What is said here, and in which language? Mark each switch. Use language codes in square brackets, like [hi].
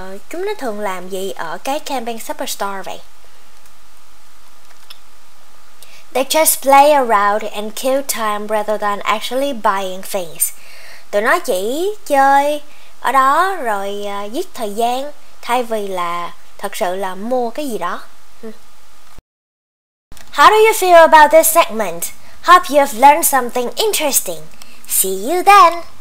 [vi] Chúng nó thường làm gì ở cái camping superstore vậy? [en] They just play around and kill time rather than actually buying things. [vi] Tụi nó chỉ chơi ở đó rồi giết thời gian thay vì là thật sự là mua cái gì đó. [en] How do you feel about this segment? Hope you've learned something interesting. See you then!